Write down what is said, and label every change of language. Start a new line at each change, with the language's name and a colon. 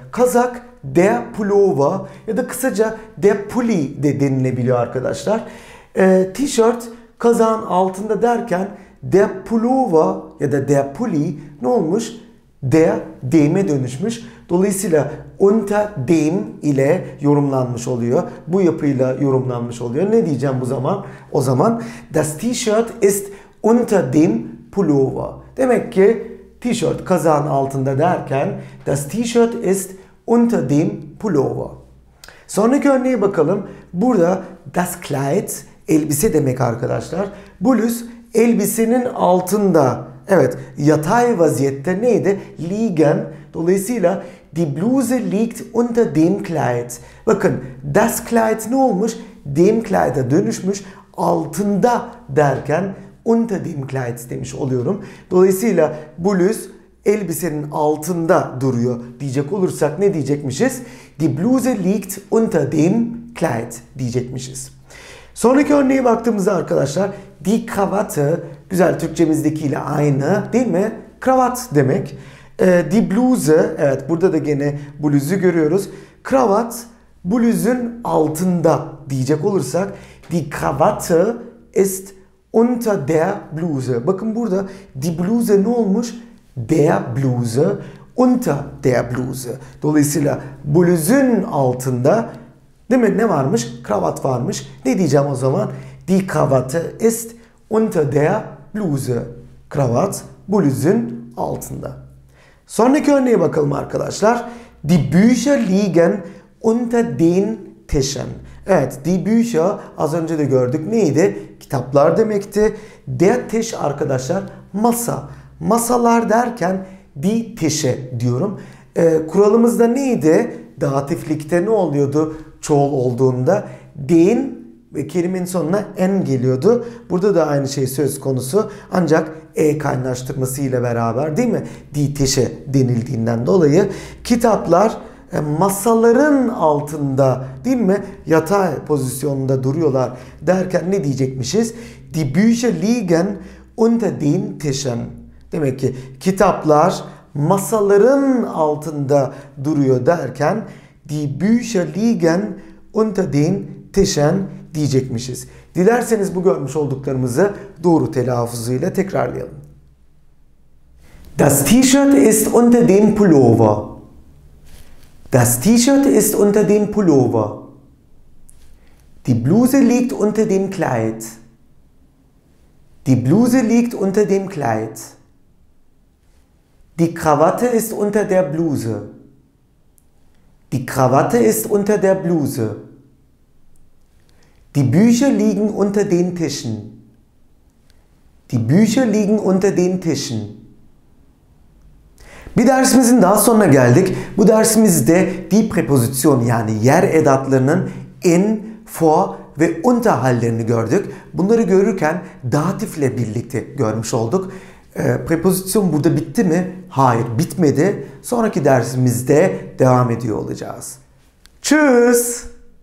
Turkish: Kazak der Pullover ya da kısaca der Pulli de denilebiliyor arkadaşlar. T-shirt kazağın altında derken der Pullover ya da der Pulli ne olmuş? Der deyime dönüşmüş. Dolayısıyla unter dem ile yorumlanmış oluyor. Bu yapıyla yorumlanmış oluyor. Ne diyeceğim bu zaman? O zaman
German: das T-shirt ist unter dem Pullover.
Turkish: Demek ki T-shirt kazağın altında derken
German: das T-shirt ist unter dem Pullover.
Turkish: Sonraki örneğe bakalım. Burada das Kleid elbise demek arkadaşlar. Bluz elbisenin altında. Evet, yatay vaziyette neydi?
German: Liegen.
Turkish: Dolayısıyla
German: die Bluse liegt unter dem Kleid.
Turkish: Bakın, das Kleid ne olmuş? Dem Kleid'e dönüşmüş. Altında derken
German: unter dem Kleid
Turkish: demiş oluyorum. Dolayısıyla bluz elbisenin altında duruyor diyecek olursak ne diyecekmişiz?
German: Die Bluse liegt unter dem Kleid
Turkish: diyecekmişiz. Sonraki örneğe baktığımızda arkadaşlar die Krawatte güzel Türkçemizdekiyle aynı değil mi? Kravat demek. Die Bluse, evet burada da gene bluzu görüyoruz. Kravat bluzun altında diyecek olursak
German: die Krawatte ist unter der Bluse.
Turkish: Bakın burada die Bluse ne olmuş?
German: Der Bluse unter der Bluse.
Turkish: Dolayısıyla bluzun altında değil mi? Ne varmış? Kravat varmış. Ne diyeceğim o zaman?
German: Die Krawatte ist unter der Bluse.
Turkish: Kravat bluzun altında. Sonraki örneğe bakalım arkadaşlar.
German: Die Bücher liegen unter den Tischen.
Turkish: Evet,
German: die Bücher
Turkish: az önce de gördük. Neydi? kitaplar demekti. Der Tisch arkadaşlar masa. Masalar derken die Tische diyorum. Kuralımız da neydi? Datiflikte ne oluyordu çoğul olduğunda? Den ve kelimenin sonuna en geliyordu. Burada da aynı şey söz konusu. Ancak e kaynaştırması ile beraber değil mi? Die Tische denildiğinden dolayı kitaplar masaların altında değil mi? Yatay pozisyonunda duruyorlar derken ne diyecekmişiz?
German: Die Bücher liegen unter den Tischen.
Turkish: Demek ki kitaplar masaların altında duruyor derken
German: Die Bücher liegen unter den Tischen
Turkish: diyecekmişiz. Dilerseniz bu görmüş olduklarımızı doğru telaffuzuyla tekrarlayalım.
German: Das T-shirt ist unter dem Pullover. Das T-shirt ist unter dem Pullover. Die Bluse liegt unter dem Kleid. Die Bluse liegt unter dem Kleid. Die Krawatte ist unter der Bluse. Die Krawatte ist unter der Bluse. Die Bücher liegen unter den Tischen. Die Bücher liegen unter den Tischen.
Turkish: Bir dersimizin daha sonuna geldik. Bu dersimizde die Präposition yani yer edatlarının in, vor ve unter hallerini gördük. Bunları görürken datifle birlikte görmüş olduk. Präposition burada bitti mi? Hayır, bitmedi. Sonraki dersimizde devam ediyor olacağız.
German: Tschüss!